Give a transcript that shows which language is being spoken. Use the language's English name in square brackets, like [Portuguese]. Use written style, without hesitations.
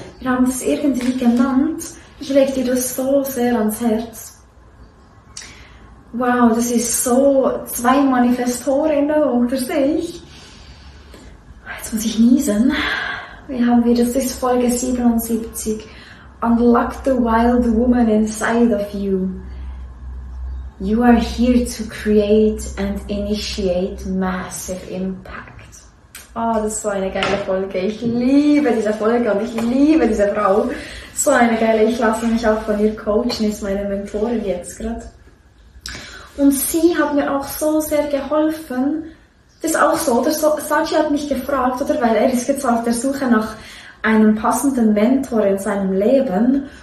[German] Wir haben es irgendwie genannt. Ich lege dir das so sehr ans Herz. Wow, das ist so zwei Manifestorinnen unter sich. Jetzt muss ich niesen. Wie haben wir das? Das ist Folge 77. [English] Unlock the wild woman inside of you. You are here to create and initiate massive impact. [German] Oh, das ist so eine geile Folge. Ich liebe diese Folge und ich liebe diese Frau. So eine geile. Ich lasse mich auch von ihr coachen. Ist meine Mentorin jetzt gerade. Und sie hat mir auch so sehr geholfen. Das ist auch so. Oder? Saji hat mich gefragt, oder? Weil er ist jetzt auf der Suche nach einem passenden Mentor in seinem Leben.